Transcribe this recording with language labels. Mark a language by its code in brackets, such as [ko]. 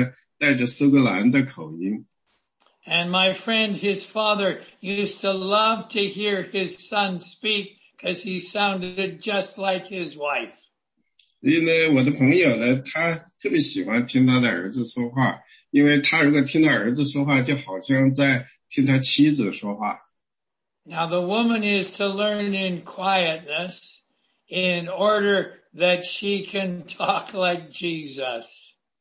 [zh] 所以呢，他在加拿大出生的，他从来没有去过苏格兰，但是这个男孩刚开始学习说话的时候呢，带着苏格兰的口音。 [en] And my friend, his father, used to love to hear his son speak, because he sounded just like his wife. [zh] 所以呢，我的朋友呢，他特别喜欢听他的儿子说话，因为他如果听到儿子说话，就好像在听他妻子说话。 [en] Now the woman is to learn in quietness in order that she can talk like Jesus.